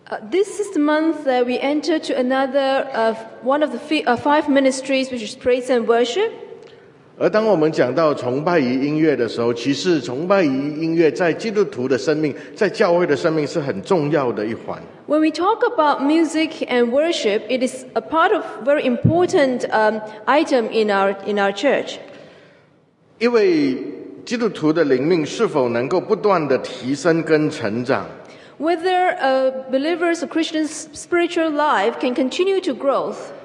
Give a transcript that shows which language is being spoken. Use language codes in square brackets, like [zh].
[en] This is the month that we enter to another of one of the five ministries, which is praise and worship. [zh] 而当我们讲到崇拜与音乐的时候，其实崇拜与音乐在基督徒的生命，在教会的生命是很重要的一环。 [en] When we talk about music and worship, it is a part of very important item in our church. [zh] 因为基督徒的灵命是否能够不断的提升跟成长？ [en] Whether a believer's or Christian's spiritual life can continue to growth.